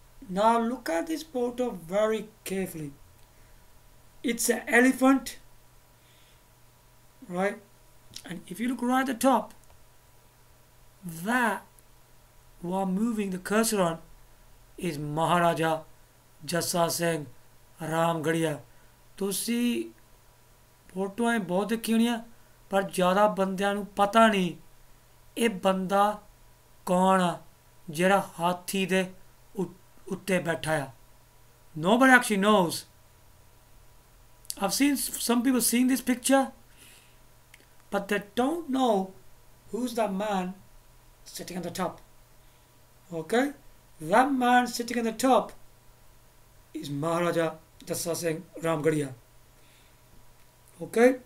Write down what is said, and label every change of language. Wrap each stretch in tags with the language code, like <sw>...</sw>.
<en>Now look at this photo very carefully. It's an elephant, right? And if you look right at the top, that while moving the cursor on is Maharaja Jassa Singh Ramgarhia,</en> <pa>ਤੁਸੀਂ ਫੋਟੋਆਂ ਬਹੁਤ ਦੇਖੀ ਹੋਣੀਆਂ ਪਰ ਜ਼ਿਆਦਾ ਬੰਦਿਆਂ ਨੂੰ ਪਤਾ ਨਹੀਂ ਇਹ ਬੰਦਾ ਕੌਣ ਆ ਜਿਹੜਾ ਹਾਥੀ ਦੇ ਉੱਤੇ ਬੈਠਾ ਆ।</pa> <en>Nobody actually knows. I've seen some people seeing this picture, but they don't know who's that man sitting on the top. Okay? That man sitting on the top is Maharaja Jassa Singh Ramgarhia. Okay?</en>